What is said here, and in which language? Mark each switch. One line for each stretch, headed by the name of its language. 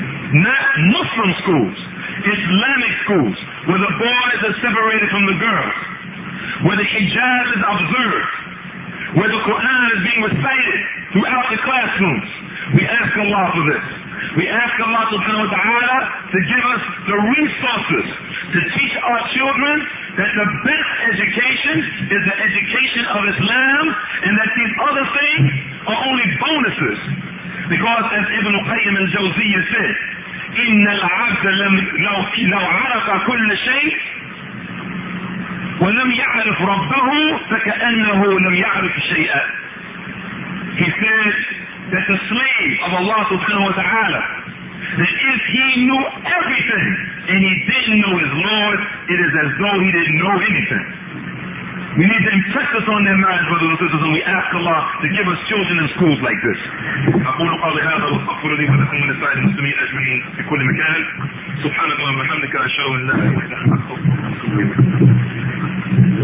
English: Not Muslim schools, Islamic schools, where the boys are separated from the girls, where the hijab is observed, where the Quran is being recited throughout the classrooms. We ask Allah for this. We ask Allah subhanahu wa ta'ala to give us the resources to teach our children that the best education is the education of Islam, and that these other things are only bonuses. Because as Ibn Qayyim al-Jawziyyah said,
Arabic: إِنَّ الْعَبْدَ لَوْ عَرَفَ كُلَّ شَيْءٍ وَلَمْ يَعْرِفْ رَبَّهُ فَكَأَنَّهُ لَمْ يَعْرِفْ شَيْئًا.
English: He said that the slave of Allah subhanahu wa ta'ala, that if he knew everything and he didn't know his Lord, it is as though he didn't know anything. We need to impress this on their minds, brothers and sisters, and we ask Allah to give us children in schools like this.
Arabic: أقول قولي هذا وأستغفر لي ولكم ولسائر المسلمين أجمعين في كل مكان. سبحان الله وبحمدك أشهد أن لا إله إلا أنت أستغفرك وأتوب إليك.